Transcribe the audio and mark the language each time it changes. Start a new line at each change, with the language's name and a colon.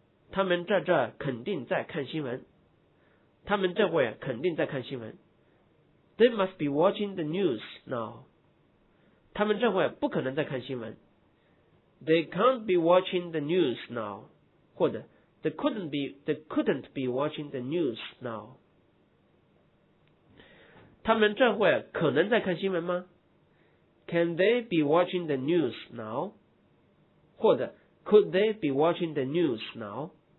Chinese: 他们在这肯定在看新闻。他们这会肯定在看新闻。
English: They must be watching the news now.
Chinese: 他们这会不可能在看新闻。
English: They can't be watching the news now. 或者 they couldn't be watching the news now.
Chinese: 他们这会可能在看新闻吗？
English: Can they be watching the news now? 或者 could they be watching the news now?